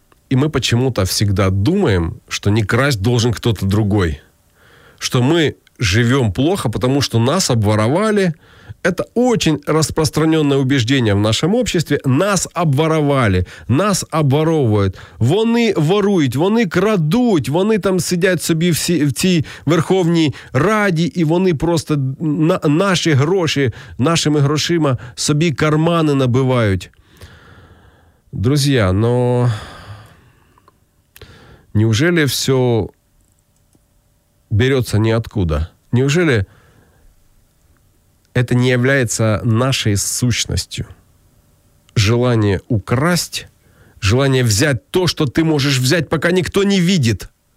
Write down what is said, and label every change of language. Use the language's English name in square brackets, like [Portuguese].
[Russian] И мы почему-то всегда думаем, что не красть должен кто-то другой. Что мы живем плохо, потому что нас обворовали. Это очень распространенное убеждение в нашем обществе. Нас обворовали, нас обворовывают. [Ukrainian] Вони ворують, вони крадуть, вони там сидять собі в цій Верховній Раді, і вони просто наші гроші, нашими грошима собі кармани набивають. [Russian] Друзья, но неужели все берется ниоткуда? Неужели это не является нашей сущностью? Желание украсть, желание взять то, что ты можешь взять, пока никто не видит.